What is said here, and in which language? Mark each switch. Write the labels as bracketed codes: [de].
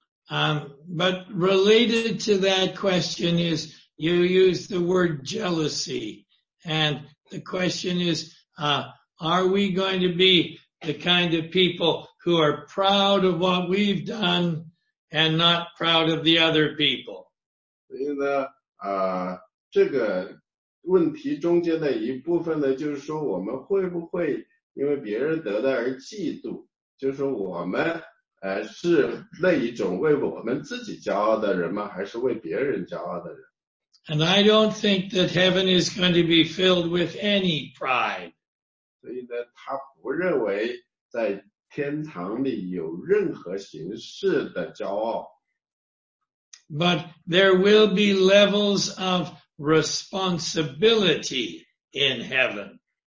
[en] But related to that question is you use the word jealousy and the question is, are we going to be the kind of people who are proud of what we've done and not proud of the other people? [zh] 所以呢，这个问题中间的一部分呢，就是说我们会不会因为别人得到而嫉妒？就是我们是那一种为我们自己骄傲的人吗？还是为别人骄傲的人？ [en] And I don't think that heaven is going to be filled with any pride. [zh] 所以呢，他不认为在天堂里有任何形式的骄傲。 [en] But there will be levels of responsibility in heaven.